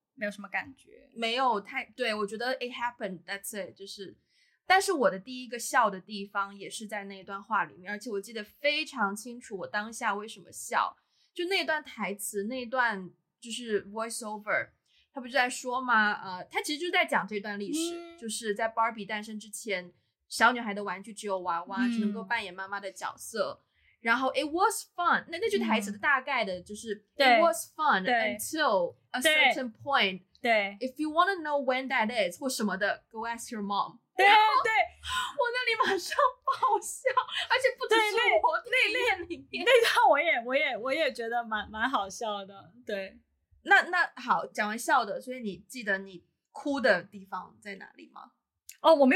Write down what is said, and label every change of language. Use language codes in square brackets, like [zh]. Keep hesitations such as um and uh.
[zh] 没有什么感觉，没有太对我觉得 [en] it happened that's it， [zh] 就是，但是我的第一个笑的地方也是在那一段话里面，而且我记得非常清楚，我当下为什么笑，就那段台词，那段就是 voiceover，他不就在说吗？呃，他其实就在讲这段历史、嗯，就是在 Barbie 诞生之前，小女孩的玩具只有娃娃，只、嗯、能够扮演妈妈的角色。然后 [en] it was fun， [zh] 那那句台词的大概的就是 [en] it was fun until a certain point。 [zh] 对， [en] if you wanna know when that is， [zh] 或什么的， [en] go ask your mom。 [zh] 对对，我那里马上爆笑，而且不只是我内那里面，内恋我也我也我也觉得蛮蛮好笑的。对，那那好，讲完笑的，所以你记得你哭的地方在哪里吗？哦，我没